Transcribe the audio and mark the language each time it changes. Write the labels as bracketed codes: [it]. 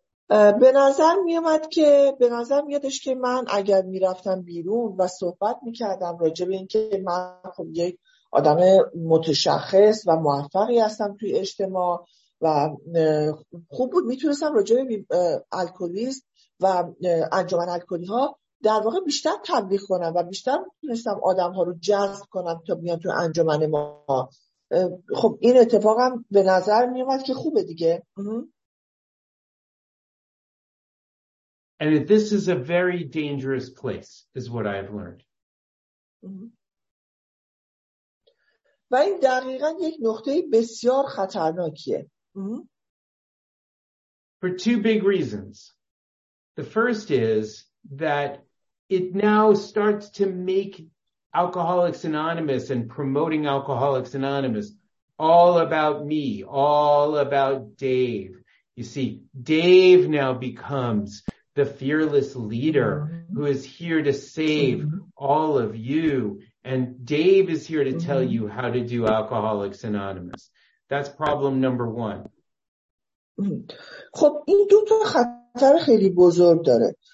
[fa] به نظر می اومد که به نظر میادش که من اگر میرفتم بیرون و صحبت میکردم راجع به اینکه من خب یک آدم متشخص و موفقی هستم توی اجتماع و خوب بود میتونستم راجع به الکلیسم و انجمن الکلی ها در واقع بیشتر تبلیغ کنم و بیشتر میتونستم آدم ها رو جذب کنم تا بیان توی انجمن ما. خب این اتفاقم به نظر میومد که خوبه دیگه. [en] And this is a very dangerous place, is what I have learned. [fa] و این دقیقاً یک نقطه بسیار خطرناکیه. [en] For two big reasons. The first is that it now starts to make Alcoholics Anonymous and promoting Alcoholics Anonymous all about me, all about Dave. You see, Dave now becomes the fearless leader who is here to save all of you. And Dave is here to tell you how to do Alcoholics Anonymous. That's problem number one. [fa] خب این دو تا خطر خیلی بزرگ داره.